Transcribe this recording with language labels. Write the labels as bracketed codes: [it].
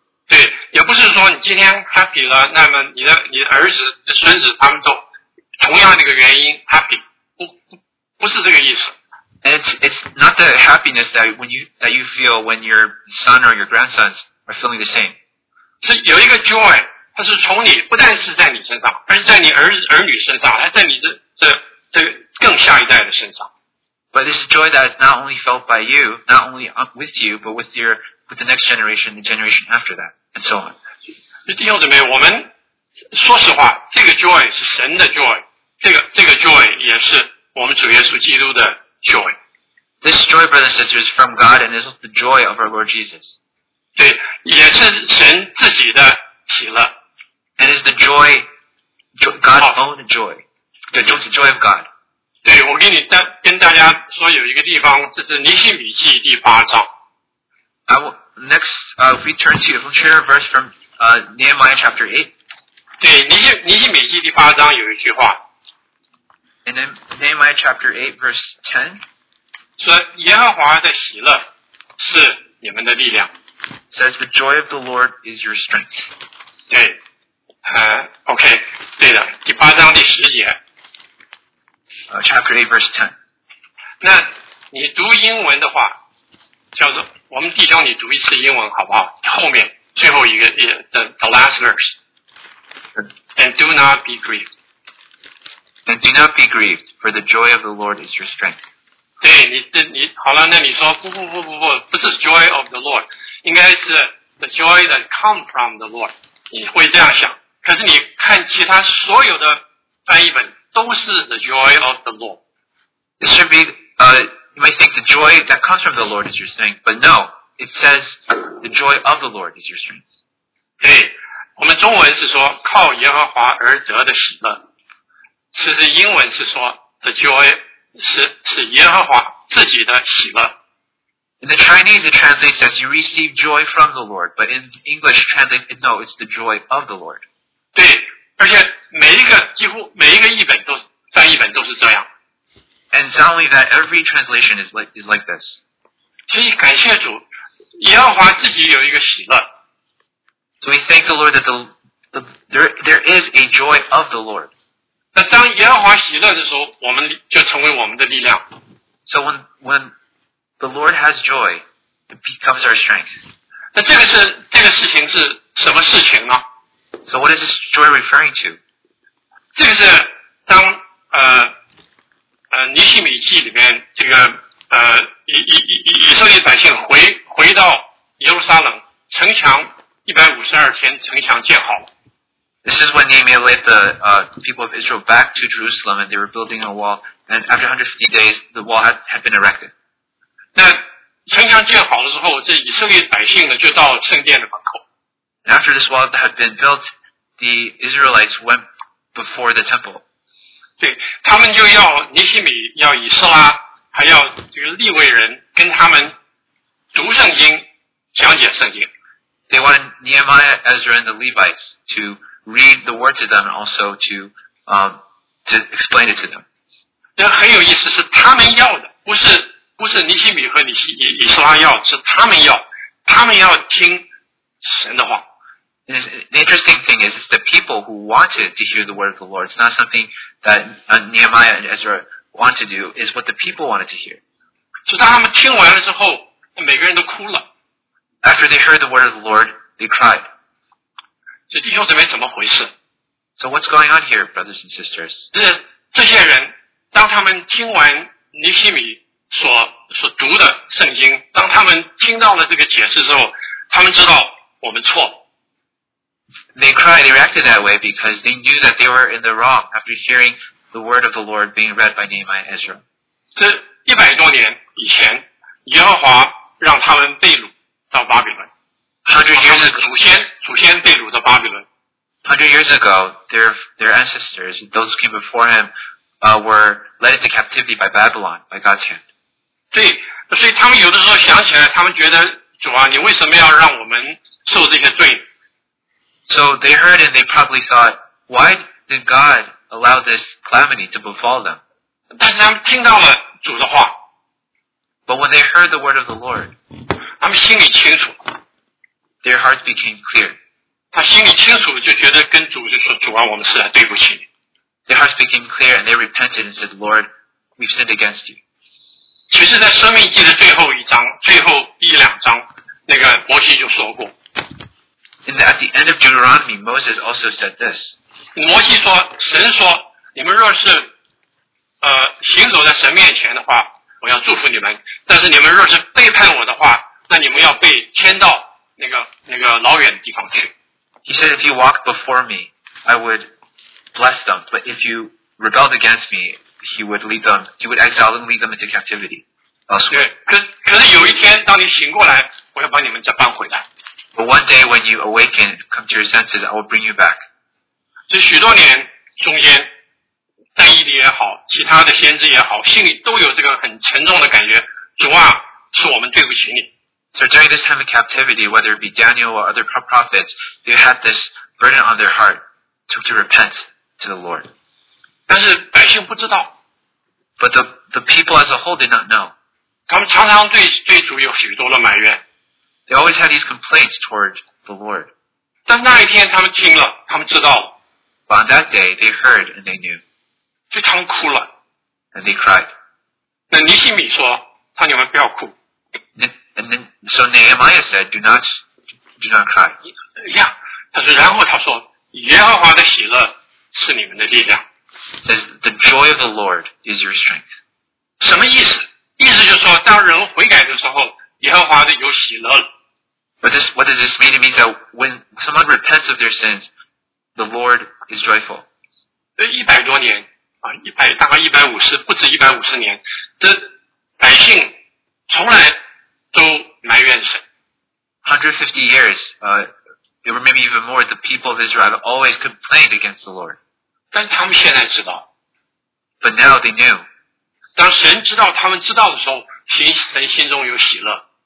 [zh] 对，也不是说你今天 happy 了，那么你儿子、你孙子他们都。同样的一个原因 ，happy， 不是这个意思。 [en] It's not the happiness that you feel when your son or your grandsons are feeling the same. [zh] 是有一个 joy， 它是从你不但是在你身上，而是在你儿女身上，还在你这更下一代的身上。 [en] But this joy that is not only felt by you, not only with you, but with the next generation, the generation after that, and so on. [zh] 弟兄姊妹，我们。说实话，这个 joy 是神的 joy， 这个 joy 也是我们主耶稣基督的 joy。 [en] This joy, brothers and sisters, is from God, and this is the joy of our Lord Jesus. [zh] 对，也是神自己的喜乐。 [en] And it's the joy, God's own joy. [zh] 对，就是 [en] joy of God. [zh] 对，我跟大家说有一个地方，这是尼希米记第八章。 [en] If we turn to a share verse from Nehemiah chapter 8. [zh] 对，尼希米记第八章有一句话。 [en] And then Nehemiah chapter 8 verse 10. [zh] 说耶和华的喜乐是你们的力量。 [en] Says the joy of the Lord is your strength. [zh] 对。 OK, 对的，第八章第十节。 [en] Chapter 8 verse 10. [zh] 那你读英文的话叫做我们弟兄你读一次英文好不好后面最后一个 [en] the last verse and do not be grieved and do not be grieved for the joy of the Lord is your strength [zh] 对 你好了那你说不不是 [en] joy of the Lord [zh] 应该是 [en] the joy that comes from the Lord [zh] 你会这样想可是你看其他所有的翻译本都是 [en] the joy of the Lord It should be, you might think the joy that comes from the Lord is your strength, but no, it says the joy of the Lord is your strength. [zh] 对，我们中文是说靠耶和华而得的喜乐，其实英文是说 [en] the joy [zh] 是耶和华自己的喜乐。 [en] In the Chinese, it translates as you receive joy from the Lord, but in English, translates, no, it's the joy of the Lord. [zh] 对，而且每一个几乎每一个译本都翻译本都是这样。 [en] And it's not only that every translation is like this. [zh] 所以感谢主，耶和华自己有一个喜乐。 [en] So we thank the Lord that there is a joy of the Lord. [zh] 那当耶和华喜乐的时候，我们就成为我们的力量。 [en] So when the Lord has joy, it becomes our strength. [zh] 那这个事情是什么事情呢 [en] ？So what is this joy referring to? [zh] 这个是当尼希米记里面这个以色列百姓回到耶路撒冷城墙152天城墙建好。 [en] This is when Nehemiah led the people of Israel back to Jerusalem and they were building a wall and after 150 days the wall had been erected. [zh] 那城墙建好了之后这以色列百姓呢就到圣殿的门口。 [en] And after this wall had been built, the Israelites went before the temple. [zh] 对他们就要尼希米要以斯拉还要这个利未人跟他们读圣经讲解圣经。 [en] They wanted Nehemiah, Ezra, and the Levites to read the word to them and also to explain it to them. [zh] 这很有意思是他们要的不是尼希米和以斯拉要是他们要听神的话。 [en] The interesting thing is it's the people who wanted to hear the word of the Lord. It's not something that Nehemiah and Ezra want to do. It's what the people wanted to hear. [zh] So 当他们听完了之后每个人都哭了。 [en] After they heard the word of the Lord, they cried. [zh] 这弟兄姊妹怎么回事? [en] So what's going on here, brothers and sisters? [zh] 这些人当他们听完尼希米所读的圣经当他们听到了这个解释之后他们知道我们错。 [en] They cried, they reacted that way because they knew that they were in the wrong after hearing the word of the Lord being read by Nehemiah and Ezra. [zh] 这一百多年以前耶和华让他们被掳到巴比伦。祖先被掳到巴比伦。 [en] 100 years ago, their ancestors, those who came before him, were led into captivity by Babylon, by God's hand. [zh] 对所以他们有的时候想起来他们觉得主啊你为什么要让我们受这些罪 [en] So they heard and they probably thought, why did God allow this calamity to befall them? [zh] 但是他们听到了主的话。 [en] But when they heard the word of the Lord, [zh] 他们心里清楚。 [en] Their hearts became clear. [zh] 他心里清楚就觉得跟主就说主啊我们实在对不起。 [en] Their hearts became clear and they repented and said, Lord, we've sinned against you. [zh] 其实在生命记的最后一两章那个摩西就说过。 [en] At the end of Deuteronomy, Moses also said this. [zh] 摩西说，神说，你们若是行走在神面前的话，我要祝福你们。但是你们若是背叛我的话，那你们要被迁到那个老远的地方去。 [en] He said, if you walk before me, I would bless them. But if you rebelled against me, he would exile them, lead them into captivity. Elsewhere. [zh] 可是有一天，当你醒过来，我要把你们再搬回来。 [en] But one day when you awaken, come to your senses, I will bring you back. [zh] 这许多年中间，但以理也好，其他的先知也好，心里都有这个很沉重的感觉。主啊，是我们对不起你。 [en] So during this time of captivity, whether it be Daniel or other prophets, they had this burden on their heart to repent to the Lord. [zh] 但是百姓不知道。 [en] But the people as a whole did not know. [zh] 他们常常对主有许多的埋怨。 [en] They always had these complaints toward the Lord. [zh] 但那一天他们听了，他们知道了。 [en] But on that day, they heard and they knew. [zh] 所以他们哭了。 [en] And they cried. [zh] 那尼希米说，他你们不要哭。 [en] And then, so Nehemiah said, do not cry. Yeah. [zh] 但是然后他说, 耶和华的喜乐是你们的力量。 [en] Says, the joy of the Lord is your strength. [zh] 什么意思? 意思就是说,当人悔改的时候, 耶和华的有喜乐了。 [en] But this, what does this mean? It means that when someone repents of their sins, the Lord is joyful. [zh] 100多年, 大概150年, 这百姓, 从来都埋怨神。 [en] 150 years, or maybe even more, the people of Israel always complained against the Lord. [zh] 但他们现在知道, [en] but now they knew. [zh] 当神知道他们知道的时候, 神心中有喜乐。